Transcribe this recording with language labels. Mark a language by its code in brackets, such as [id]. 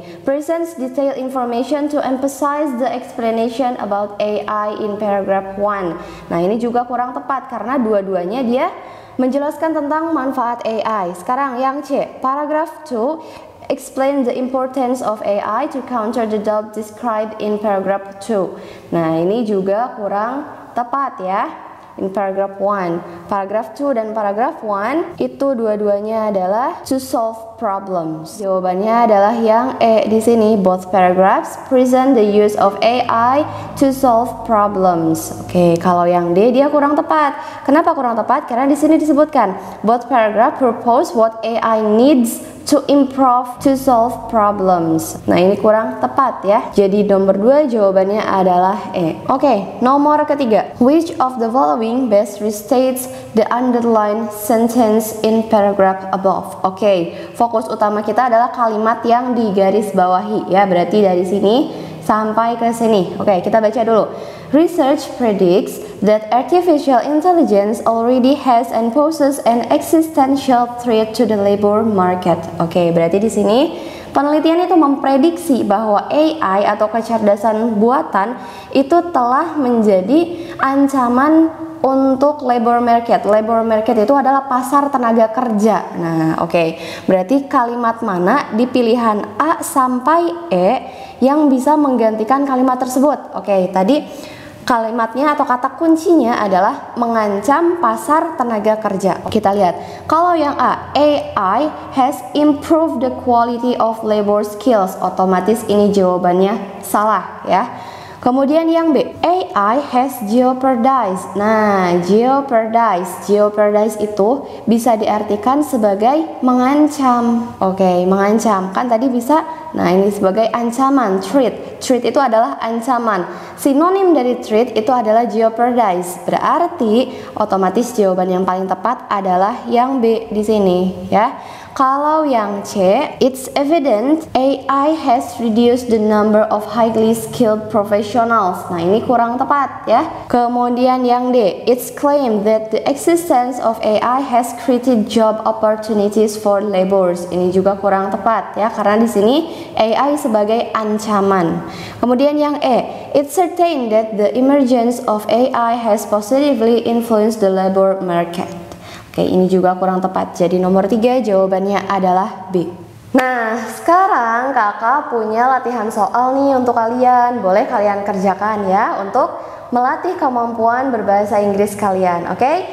[en] Presents detailed information to emphasize the explanation about AI in paragraph 1. [id] Nah, ini juga kurang tepat karena dua-duanya dia menjelaskan tentang manfaat AI. Sekarang yang C, [en] paragraph 2 explain the importance of AI to counter the doubt described in paragraph 2. [id] Nah, ini juga kurang tepat ya. [en] In paragraph 1, paragraph 2 [id] dan [en] paragraph 1 [id] itu dua-duanya adalah [en] to solve problems. [id] Jawabannya adalah yang E di sini, [en] both paragraphs present the use of AI to solve problems. [id] Oke, kalau yang D dia kurang tepat. Kenapa kurang tepat? Karena di sini disebutkan [en] both paragraph propose what AI needs to improve to solve problems. [id] Nah, ini kurang tepat ya. Jadi nomor 2 jawabannya adalah E. Oke, nomor ketiga. [en] Which of the following best restates the underlined sentence in paragraph above? [id] Oke, fokus utama kita adalah kalimat yang digarisbawahi ya. Berarti dari sini sampai ke sini. Oke, kita baca dulu. [en] Research predicts that artificial intelligence already has and poses an existential threat to the labor market. [id] Oke, berarti di sini penelitian itu memprediksi bahwa AI atau kecerdasan buatan itu telah menjadi ancaman untuk labor market. Labor market itu adalah pasar tenaga kerja. Nah, oke. Berarti kalimat mana di pilihan A sampai E yang bisa menggantikan kalimat tersebut? Oke, tadi kalimatnya atau kata kuncinya adalah mengancam pasar tenaga kerja. Kita lihat. Kalau yang A, [en] AI has improved the quality of labor skills. [id] Otomatis ini jawabannya salah ya. Kemudian yang B, [en] AI has jeopardized. [id] Nah, jeopardized itu bisa diartikan sebagai mengancam. Oke, mengancam kan tadi bisa. Nah, ini sebagai ancaman, threat. Threat itu adalah ancaman. Sinonim dari threat itu adalah jeopardized. Berarti otomatis jawaban yang paling tepat adalah yang B di sini, ya. Kalau yang C, [en] it's evident AI has reduced the number of highly skilled professionals. [id] Nah, ini kurang tepat ya. Kemudian yang D, [en] it's claimed that the existence of AI has created job opportunities for laborers. [id] Ini juga kurang tepat ya, karena di sini AI sebagai ancaman. Kemudian yang E, [en] it's certain that the emergence of AI has positively influenced the labor market. [id] Oke, ini juga kurang tepat. Jadi nomor 3 jawabannya adalah B. Nah, sekarang kakak punya latihan soal nih untuk kalian. Boleh kalian kerjakan ya untuk melatih kemampuan berbahasa Inggris kalian, oke?